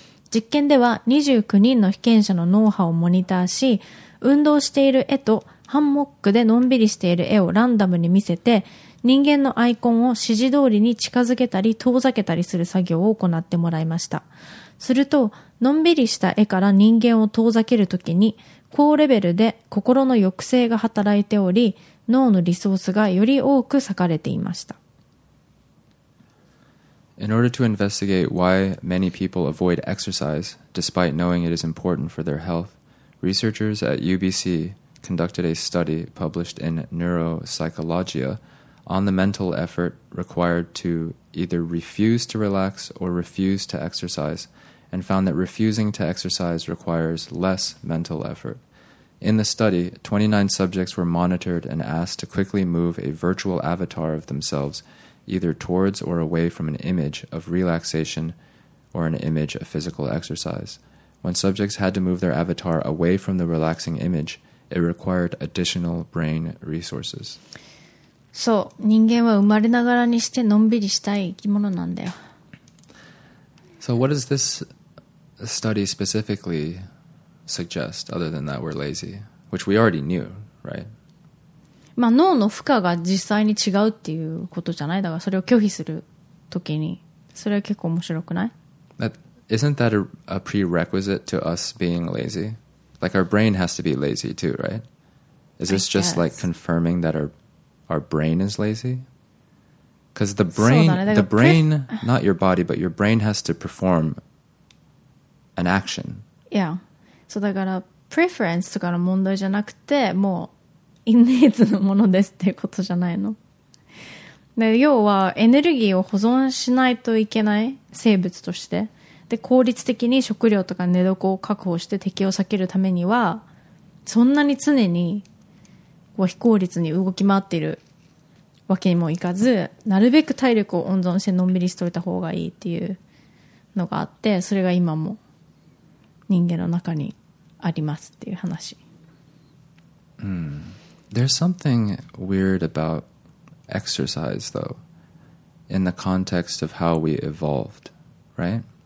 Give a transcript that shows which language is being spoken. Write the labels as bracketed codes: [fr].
[ja] 実験では29人の被験者の脳波をモニターし、運動している絵とハンモックでのんびりしている絵をランダムに見せて、人間のアイコンを指示通りに近づけたり遠ざけたりする作業を行ってもらいました。すると、のんびりした絵から人間を遠ざけるときに、高レベルで心の抑制が働いており、脳のリソースがより多く割かれていました。 [en] In order to investigate why many people avoid exercise despite knowing it is important for their health, researchers at UBC conducted a study published in Neuropsychologia on the mental effort required to either refuse to relax or refuse to exercise, and found that refusing to exercise requires less mental effort. In the study, 29 subjects were monitored and asked to quickly move a virtual avatar of themselves either towards or away from an image of relaxation or an image of physical exercise. When subjects had to move their avatar away from the relaxing image, it required additional brain resources. [ja] そう、人間は生まれながらにしてのんびりしたい生き物なんだよ。 [en] So what is this study specificallysuggest other than that we're lazy, which we already knew, right? [ja] まあ脳の負荷が実際に違うっていうことじゃない。だからそれを拒否するときに、それは結構面白くない？ [en] That, isn't that a prerequisite to us being lazy? Like our brain has to be lazy too, right? Is this just like confirming that our brain is lazy? Because the brain, the brain, not your body, but your brain has to perform an action. Yeah. [ja] そうだからプレフェレンスとかの問題じゃなくて、もうインネイツのものですっていうことじゃないの。で要はエネルギーを保存しないといけない生物として、で効率的に食料とか寝床を確保して敵を避けるためには、そんなに常にこう非効率に動き回っているわけにもいかず、なるべく体力を温存してのんびりしといた方がいいっていうのがあって、それが今も人間の中にありますっていう話。 [en] There's something weird about exercise though in the context of how we evolved, right?